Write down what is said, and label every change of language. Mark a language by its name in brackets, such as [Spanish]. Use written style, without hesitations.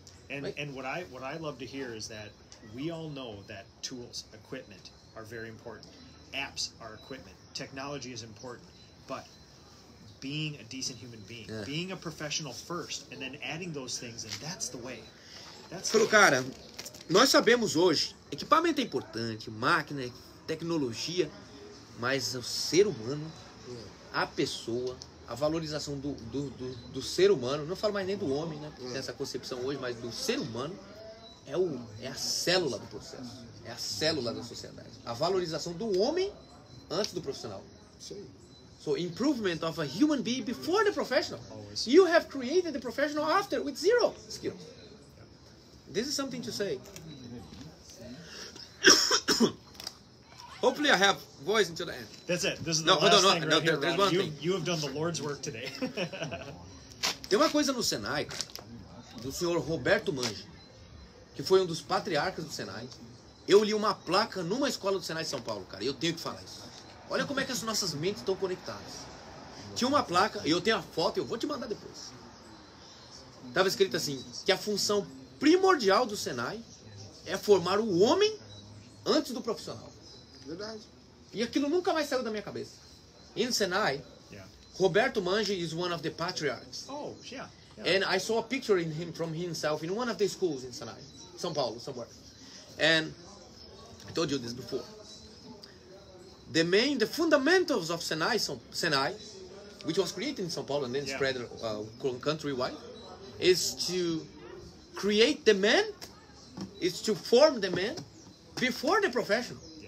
[English] And what I love to hear is that we all know that tools, equipment are very important. Apps are equipment. Technology is important. But being a decent human being, being a professional first and then adding those things, and that's the way. That's [Portuguese] pelo cara, nós sabemos hoje, equipamento é importante, máquina, tecnologia, mas o ser humano, a pessoa, a valorização do ser humano, não falo mais nem do homem, né? Tem essa concepção hoje, mas do ser humano é a célula do processo, é a célula da sociedade. A valorização do homem antes do profissional. [English] So, improvement of a human being before the professional. You have created the professional after with zero skill. This is something to say. Hopefully I have voice until the end. That's it. This is the last thing right here, Ron. You have done the Lord's work today. [Portuguese] Tem uma coisa no Senai, cara, do senhor Roberto Mange, que foi um dos patriarcas do Senai. Eu li uma placa numa escola do Senai de São Paulo, cara, e eu tenho que falar isso. Olha como é que as nossas mentes estão conectadas. Tinha uma placa, e eu tenho a foto, eu vou te mandar depois. Tava escrito assim, que a função primordial do Senai é formar o homem antes do profissional. Verdade. E aquilo nunca mais saiu da minha cabeça. [English] In Senai, Roberto Mange is one of the patriarchs. Oh, yeah. And I saw a picture in him from himself in one of the schools in Senai, São Paulo, somewhere. And I told you this before. The fundamentals of Senai, which was created in São Paulo and then spread countrywide, is to create the man, is to form the man before the professional.